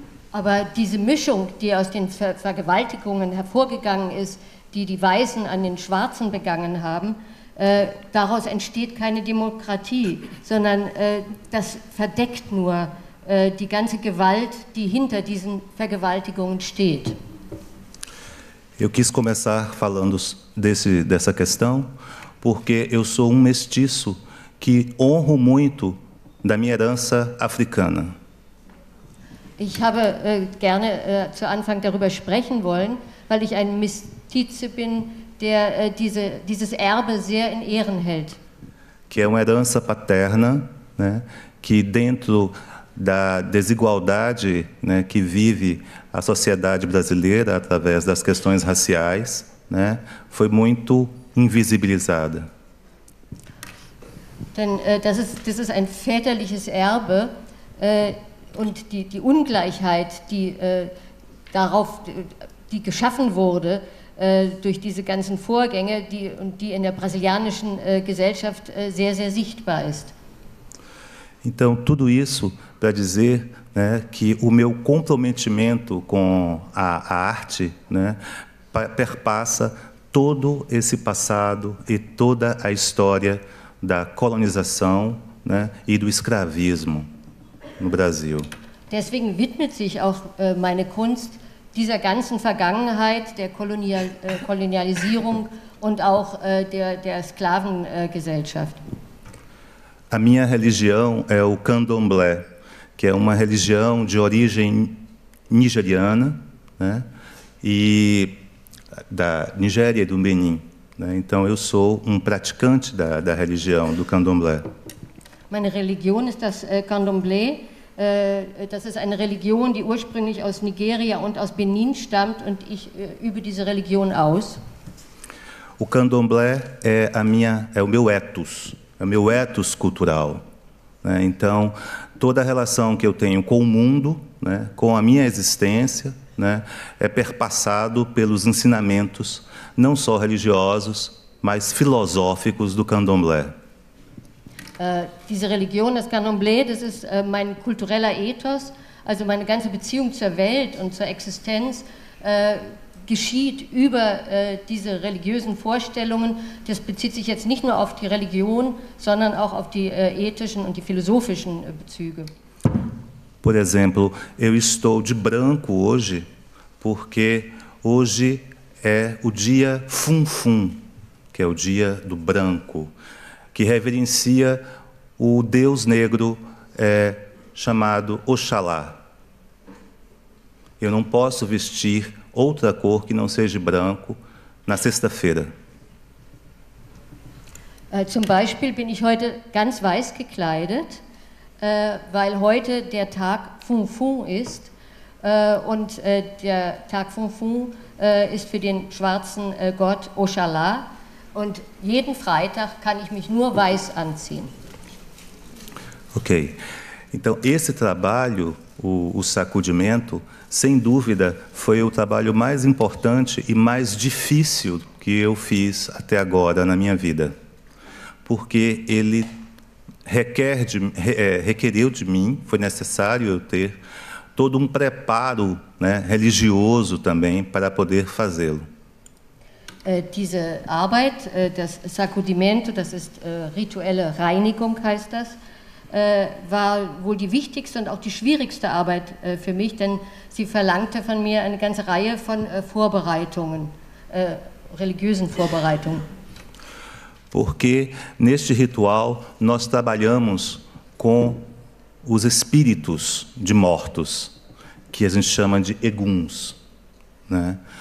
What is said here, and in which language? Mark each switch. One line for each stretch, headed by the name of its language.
German: Aber diese Mischung, die aus den Vergewaltigungen hervorgegangen ist, die Weißen an den Schwarzen begangen haben, daraus entsteht keine Demokratie, sondern das verdeckt nur die ganze Gewalt, die hinter diesen Vergewaltigungen steht.
Portuguese: Eu quis começar falando dessa questão porque eu sou mestiço que honro muito da minha herança africana.
German: Ich habe gerne zu Anfang darüber sprechen wollen, weil ich ein Mestizo bin, der dieses Erbe sehr in Ehren hält.
Portuguese: Que é uma herança paterna, né, que dentro da desigualdade, né, que vive a sociedade brasileira através das questões raciais, né, foi muito invisibilizada.
German: Denn das ist ein väterliches Erbe und die Ungleichheit, die darauf die geschaffen wurde durch diese ganzen Vorgänge, die in der brasilianischen Gesellschaft sehr sehr sichtbar ist.
Portuguese: Então tudo isso para dizer, né, que o meu comprometimento com a arte, né, perpassa todo esse passado e toda a história da colonização, né, e do escravismo no Brasil.
German: Deswegen widmet sich auch meine Kunst dieser ganzen Vergangenheit der Kolonialisierung und auch der Sklavengesellschaft.
Portuguese: A minha religião é o Candomblé, que é uma religião de origem nigeriana, né, e da Nigéria e do Benin, né? Então eu sou praticante da religião do Candomblé.
German: Meine Religion ist das Candomblé. Das ist eine Religion, die ursprünglich aus Nigeria und aus Benin stammt, und ich übe diese Religion aus.
Portuguese: O Candomblé é o meu ethos, é o meu ethos cultural, né? Então toda a relação que eu tenho com o mundo, né, com a minha existência, né, perpassado pelos ensinamentos, não só religiosos, mas filosóficos do Candomblé.
German: Diese Religion, das Candomblé, das ist mein kultureller Ethos, also meine ganze Beziehung zur Welt und zur Existenz geschieht über diese religiösen Vorstellungen. Das bezieht sich jetzt nicht nur auf die Religion, sondern auch auf die ethischen und die philosophischen Bezüge.
Portuguese: Por exemplo, eu estou de branco hoje, porque hoje é o dia Funfun, que é o dia do branco, que reverencia o deus negro chamado Oxalá. Eu não posso vestir outra cor que não seja branco na sexta-feira.
German: Zum Beispiel bin ich heute ganz weiß gekleidet, weil heute der Tag Funfun ist und der Tag Funfun ist für den schwarzen Gott Oshala und jeden Freitag kann ich mich nur weiß anziehen. Okay.
Portuguese: Então esse trabalho, o sacudimento, sem dúvida foi o trabalho mais importante e mais difícil que eu fiz até agora na minha vida. Porque ele requeriu de mim, foi necessário eu ter todo preparo, né, religioso também para poder fazê-lo.
German: Diese Arbeit, das Sacudimento, das ist rituelle Reinigung heißt das, war wohl die wichtigste und auch die schwierigste Arbeit für mich, denn sie verlangte von mir eine ganze Reihe von Vorbereitungen, religiösen Vorbereitungen.
Portuguese: Porque neste ritual nós trabalhamos com os espíritos de mortos, que a gente chama de eguns, né?